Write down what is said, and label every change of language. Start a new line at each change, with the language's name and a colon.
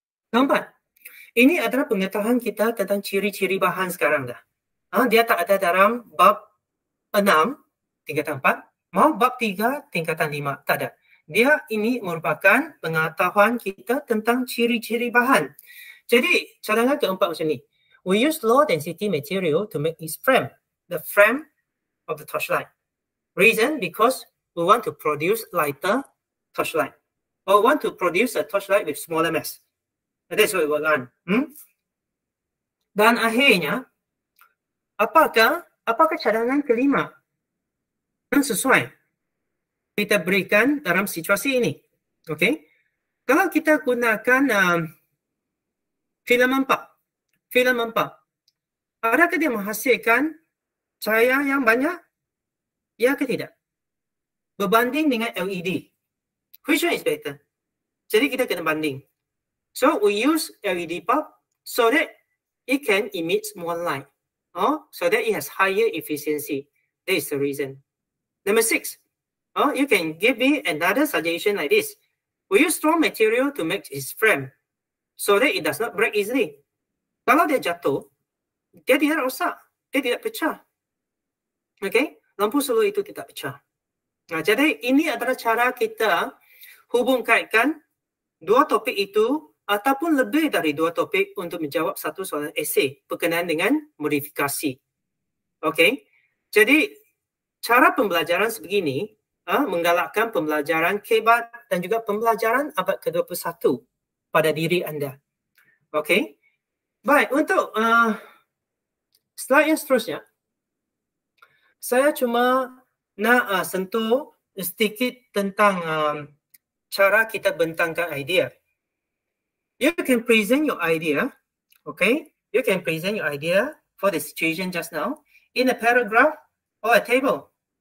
Malay: Keempat, ini adalah pengetahuan kita tentang ciri-ciri bahan sekarang dah. Dia tak ada dalam bab 6, tingkatan 4, mau bab 3, tingkatan 5, tak ada. Dia ini merupakan pengetahuan kita tentang ciri-ciri bahan. Jadi cadangan keempat macam ni.
English: We use low density material to make its frame, the frame of the torchlight. Reason, because we want to produce lighter torchlight. Or we want to produce a torchlight with smaller mass. That's what we will learn.
Malay: Dan akhirnya, apakah cadangan kelima yang sesuai kita berikan dalam situasi ini? Okay. Kalau kita gunakan filament 4, adakah dia menghasilkan cahaya yang banyak? Ya ke tidak? Berbanding dengan LED,
English: which one is better?
Malay: Jadi kita kena banding.
English: So we use LED bulb so that it can emit more light. So that it has higher efficiency. That is the reason. Number 6. You can give me another suggestion like this. We use strong material to make its frame so that it does not break easily.
Malay: Kalau dia jatuh, dia tidak rosak. Dia tidak pecah. Okay? Lampu solo itu tidak pecah. Nah, jadi ini adalah cara kita hubungkaitkan dua topik itu ataupun lebih dari dua topik untuk menjawab satu soalan esei berkenaan dengan modifikasi. Okay? Jadi, cara pembelajaran sebegini menggalakkan pembelajaran kebat dan juga pembelajaran abad ke-21 pada diri anda. Okay? Baik, untuk slide yang seterusnya, saya cuma nak sentuh sedikit tentang cara kita bentangkan idea.
English: You can present your idea, okay? You can present your idea for the situation just now in a paragraph or a table.